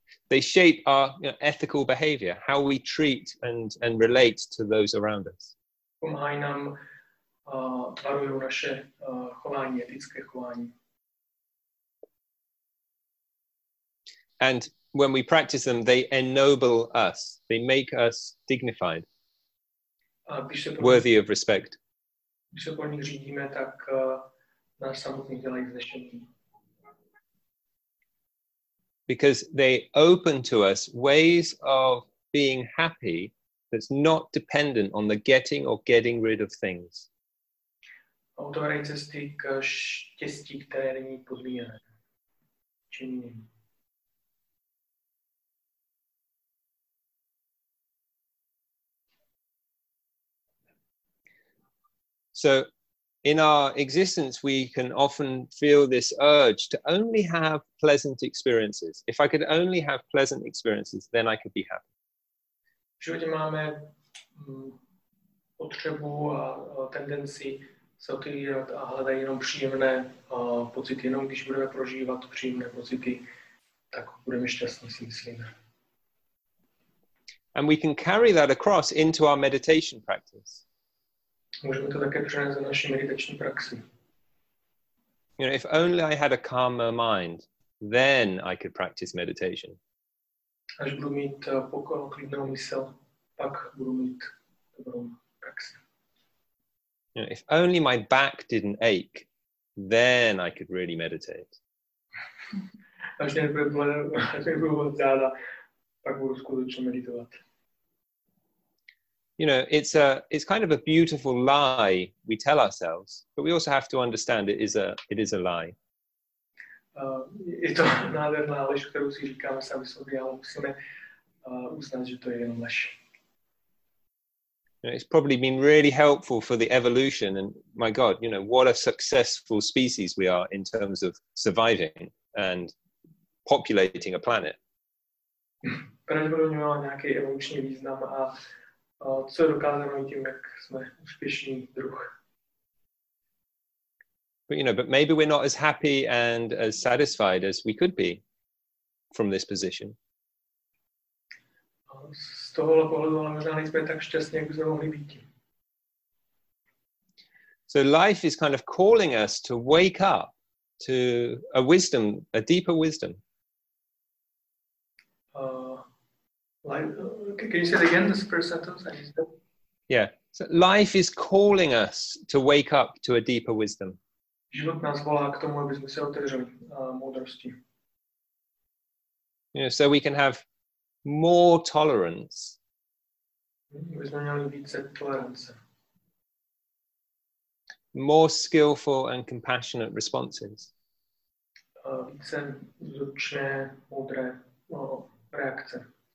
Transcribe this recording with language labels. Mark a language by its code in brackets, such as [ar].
[en] They shape our, you know, ethical behavior, how we treat and relate to those around us. [cs] Pomáhají nám tvarují naše chování, etické chování. [en] And when we practice them, they ennoble us. They make us dignified. Worthy of respect. [cs] Když se po nich řídíme, tak nás samotný dělají vznešený. [en] Because they open to us ways of being happy that's not dependent on the getting or getting rid of things. [cs] Otevírají cesty k štěstí, které není podmíněné. Činným. [en] So in our existence, we can often feel this urge to only have pleasant experiences. If I could only have pleasant experiences, then I could be happy. [cs] V životě máme potřebu a tendenci se otevírat a hledat jenom příjemné pocity. Jenom když budeme prožívat příjemné pocity, tak budeme šťastní, si myslíme. [en] And we can carry that across into our meditation practice. [cs] Můžeme to také přenést za naši meditační praxi. [en] You know, if only I had a calmer mind, then I could practice meditation. [cs] Až budu mít pokoj, klidnou mysl, pak budu mít dobrou praxi. [en] You know, if only my back didn't ache, then I could really meditate. [cs] Až nebudu záda, pak budu skutečně meditovat. [en] you know, it's kind of a beautiful lie we tell ourselves, but we also have to understand it is a lie. [cs] Je to nádherná lež, kterou si říkáme sami sobě, ale musíme uznat, že to je jenom lež. [en] It's probably been really helpful for the evolution, and my God, you know, what a successful species we are in terms of surviving and populating a planet. [cs] Pravděpodobně má nějaký evoluční význam a co dokázáme tím, jak jsme úspěšný druh. [en] But you know, but maybe we're not as happy and as satisfied as we could be from this position. [cs] Z tohohle pohledu ale možná nejsme tak šťastní, jak bychom mohli být. [en] So life is kind of calling us to wake up to a wisdom, a deeper wisdom. Can you say it again, this first sentence? Yeah. So life is calling us to wake up to a deeper wisdom. [cs] Život nás volá k tomu, aby jsme se otevřeli moudrosti. [en] You know, so we can have more tolerance. [cs] My jsme měli více tolerance. [en] More skillful and compassionate responses. [cs] Více zručné, moudré reakce.